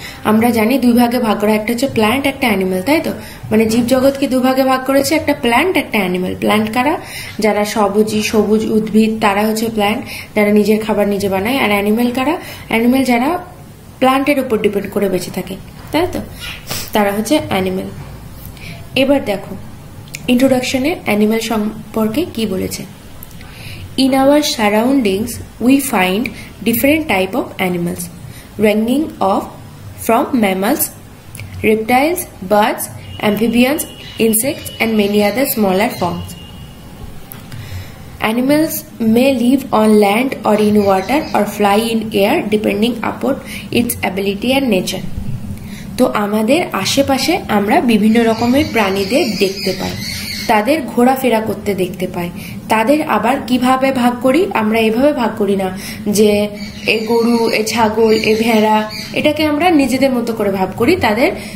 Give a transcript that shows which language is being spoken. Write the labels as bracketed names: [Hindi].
[Bangla] আমরা জানি দুই ভাগে ভাগ করা একটা হচ্ছে প্ল্যান্ট একটা অ্যানিমেল তাই তো মানে জীব জগৎকে দুভাগে ভাগ করেছে একটা প্ল্যান্ট একটা অ্যানিমেল প্ল্যান্ট কারা যারা সবজি সবুজ উদ্ভিদ তারা হচ্ছে প্ল্যান্ট যারা নিজের খাবার নিজে বানায় আর অ্যানিমেল কারা অ্যানিমেল যারা প্ল্যান্টের উপর ডিপেন্ড করে বেঁচে থাকে তাই তো তারা হচ্ছে অ্যানিমেল এবার দেখো ইন্ট্রোডাকশনে অ্যানিমেল সম্পর্কে কি বলেছে [English] In our surroundings we find different type of animals ranging of from mammals, reptiles, birds, amphibians, insects and many other smaller forms. Animals may live on land or in water or fly in air depending upon its ability and nature. [Bangla] তো আমাদের আশেপাশে আমরা বিভিন্ন রকমের প্রাণীদের দেখতে পাই তাদের ঘোরাফেরা করতে দেখতে পাই তাদের আবার কিভাবে ভাগ করি আমরা এভাবে ভাগ করি না যে এ গরু এ ছাগল এ ভেড়া এটাকে আমরা নিজেদের মতো করে ভাব করি তাদের